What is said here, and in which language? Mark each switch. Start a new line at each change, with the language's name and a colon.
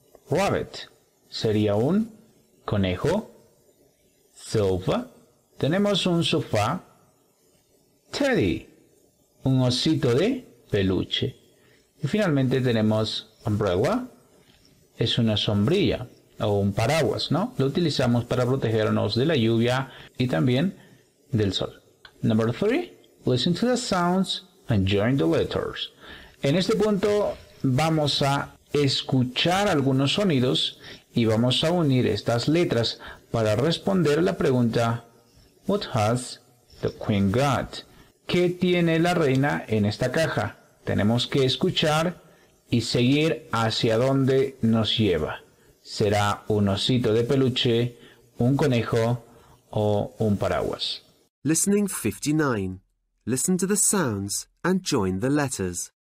Spanish: Rabbit sería un conejo. Sofa, tenemos un sofá. Teddy, un osito de peluche. Y finalmente tenemos umbrella. Es una sombrilla o un paraguas, ¿no? Lo utilizamos para protegernos de la lluvia y también del sol.
English: Number three, listen to the sounds and join the letters.
Spanish: En este punto vamos a escuchar algunos sonidos y vamos a unir estas letras para responder la pregunta
English: What has the queen got?
Spanish: ¿Qué tiene la reina en esta caja? Tenemos que escuchar y seguir hacia dónde nos lleva. ¿Será un osito de peluche, un conejo o un paraguas?
English: Listening 59. Listen to the sounds and join the letters.